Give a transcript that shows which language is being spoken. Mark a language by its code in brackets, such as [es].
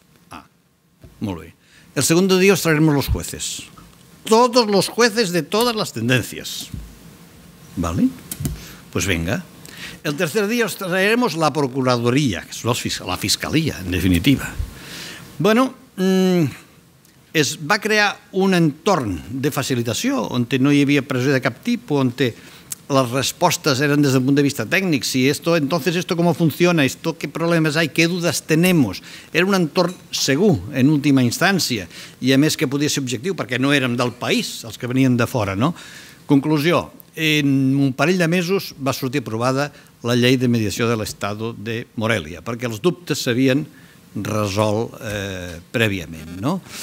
[es] Ah, muy bien. El segundo día os traeremos los jueces, todos los jueces de todas las tendencias. ¿Vale? Pues venga. El tercer día os traeremos la Procuraduría, que es la Fiscalía, en definitiva. [ca] Bueno, es va crear un entorn de facilitació on no hi havia pressió de cap tipus, on les respostes eren des del punt de vista tècnic. [es] Si esto, entonces esto cómo funciona, esto qué problemas hay, qué dudas tenemos. [ca] Era un entorn segur, en última instància, i a més que podia ser objectiu, perquè no érem del país els que venien de fora, no? Conclusió: en un parell de mesos va sortir aprovada la llei de mediació de l'estat de Morelia, perquè els dubtes s'havien resolt prèviament. No?